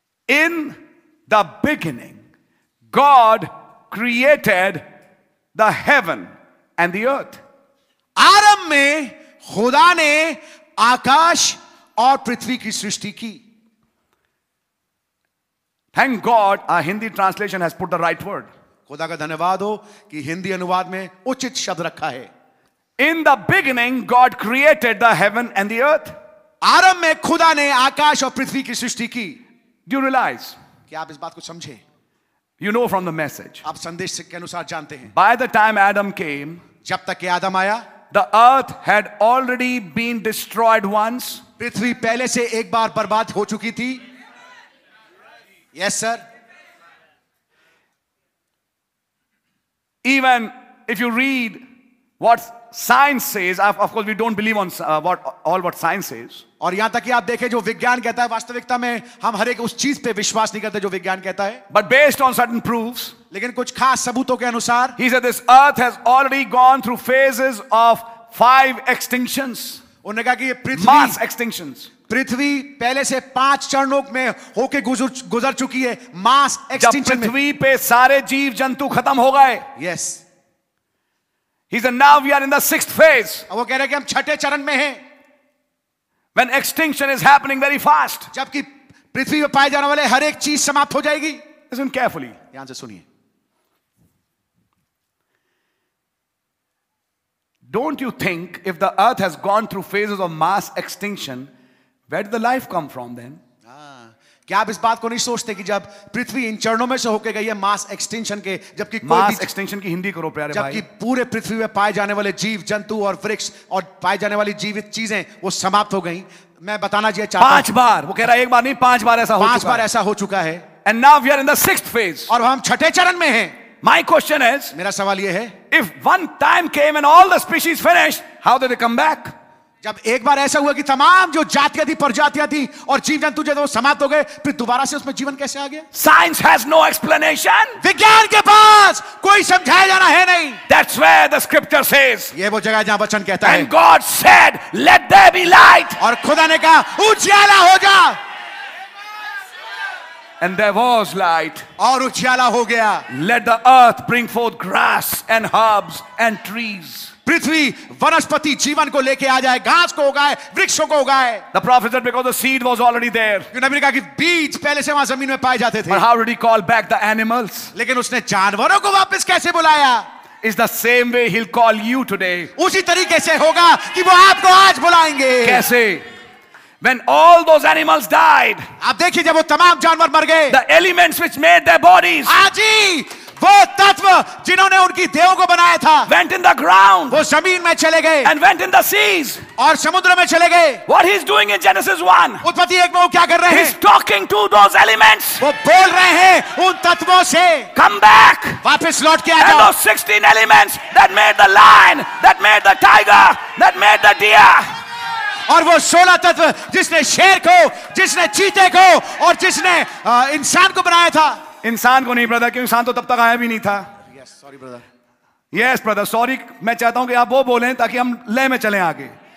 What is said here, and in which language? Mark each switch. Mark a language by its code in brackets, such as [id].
[en] In the beginning God created the heaven and the earth. [hi] आरंभ में खुदा ने आकाश और पृथ्वी की सृष्टि की। [en] Thank God a Hindi translation has put the right word. [hi] खुदा का धन्यवाद हो कि हिंदी अनुवाद में उचित शब्द रखा है। [en] In the beginning, God created the heaven and the earth. [hi] आरंभ में खुदा ने आकाश और पृथ्वी की सृष्टि की। [en] Do you realize? [hi] क्या आप इस बात को समझे? [en] You know from the message. [hi] आप संदेश के अनुसार जानते हैं। [en] By the time Adam came, [hi] जब तक कि आदम आया, [en] the earth had already been destroyed once. [hi] पृथ्वी पहले से एक बार बर्बाद हो चुकी थी। [en] Yes, sir. Even if you read what science says, of course we don't believe on what science says. [hi] और यहाँ तक कि आप देखें जो विज्ञान कहता है, वास्तविकता में हम हर एक उस चीज पे विश्वास नहीं करते जो विज्ञान कहता है। [en] But based on certain proofs, [hi] लेकिन कुछ खास सबूतों के अनुसार, [en] he said this earth has already gone through phases of five extinctions. [hi] उन्होंने कहा कि ये पृथ्वी [en] mass extinctions. [hi] पृथ्वी पहले से पांच चरणों में होके गुजर चुकी है मास एक्सटिंक्शन में। पृथ्वी पे सारे जीव जंतु खत्म हो गए। [en] Yes. He said, now we are in the sixth phase. [hi] वो कह रहे कि हम छठे चरण में हैं। [en] When extinction is happening very fast. [hi] जबकि पृथ्वी पे पाए जाने वाले हर एक चीज समाप्त हो जाएगी। [en] Listen carefully. [hi] ध्यान से सुनिए। [en] Don't you think if the earth has gone through phases of mass extinction, where did the life come from then? [hi] क्या आप इस बात को नहीं सोचते कि जब पृथ्वी इन चरणों में से होके गई है मास एक्सटेंशन के, जबकि मास एक्सटेंशन की हिंदी करो प्यारे भाई, जबकि पूरे पृथ्वी में पाए जाने वाले जीव जंतु और वृक्ष और पाए जाने वाली जीवित चीजें वो समाप्त हो गई। मैं बताना चाहिए चाहता पांच बार, वो कह रहा है एक बार नहीं पांच बार ऐसा हो पांच बार ऐसा हो चुका है। [en] and now we are in the sixth phase, [hi] और हम छठे चरण में है। [en] My question is, [hi] मेरा सवाल ये है, [en] if one time came and all the species finished, how did they come back? [hi] जब एक बार ऐसा हुआ कि तमाम जो जातियां थी प्रजातियां थी और जीव जंतु जो थे समाप्त हो गए, फिर दोबारा से उसमें जीवन कैसे आ गया? [en] Science has no explanation. [hi] विज्ञान के पास कोई समझाया जाना है नहीं। [en] That's where the scripture says. [hi] ये वो जगह जहां वचन कहता है। [en] And God said, let there be light. [hi] और खुदा ने कहा उजियाला हो जा। [en] And there was light. [hi] और उजियाला हो गया। [en] Let the earth bring forth grass and herbs and trees. [hi] पृथ्वी वनस्पति जीवन को लेके आ जाए, घास को उगाए, वृक्षों को उगाए। [en] The prophet said because the seed was already there. [hi] क्योंकि नबी ने कहा कि बीज पहले से वहां जमीन में पाए जाते थे। [en] But how did he call back the animals? [hi] लेकिन उसने जानवरों को वापस कैसे बुलाया? [en] Is the same way he'll call you today. [hi] उसी तरीके से होगा कि वो आपको आज बुलाएंगे। कैसे? [en] When all those animals died. [hi] आप देखिए जब वो तमाम जानवर मर गए। [en] The elements which made their bodies. [hi] आजी वो तत्व जिन्होंने उनकी देहों को बनाया था, [en] went in the ground, [hi] वो जमीन में चले गए, [en] and went in the seas, [hi] और समुद्र में चले गए। [en] What he's doing in Genesis 1, [hi] उत्पत्ति एक में वो क्या कर रहे हैं? [en] He's talking to those elements, [hi] वो बोल रहे हैं उन तत्वों से, [en] come back, [hi] वापस लौट के आ जाओ। [en] And those 16 elements that made the lion, that made the tiger, that made the deer. [hi] और वो 16 तत्व जिसने शेर को, जिसने चीते को और जिसने इंसान को बनाया था। इंसान को नहीं ब्रदर, क्योंकि इंसान तो तब तक आया भी नहीं था। [en] Yes sorry brother. Yes brother sorry, [hi] मैं चाहता हूं कि आप वो बोलें ताकि हम ले में चले आगे।